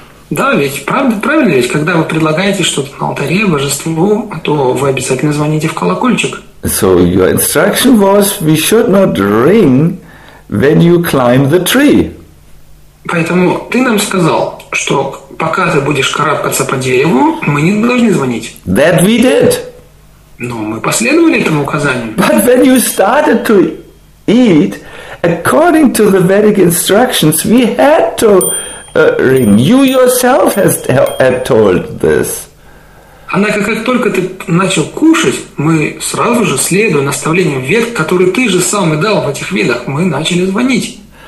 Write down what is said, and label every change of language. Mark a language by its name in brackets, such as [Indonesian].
[Russian] Да, ведь правда, правильно ведь, когда вы предлагаете что-то на алтаре божеству, то вы обязательно звоните в колокольчик. [English] So your instruction was, we should not ring when you climb the tree. [Russian] Поэтому ты нам сказал, что пока ты будешь карабкаться по дереву, мы не должны звонить. [English] That we did. [Russian] Но мы последовали этому указанию. [English] But when you started to eat, according to the Vedic instructions, we had to ring. You yourself had told this. [Russian] Однако, как только ты начал кушать, мы сразу же, следуя наставлениям вед, которые ты же сам и дал в этих ведах, мы начали звонить.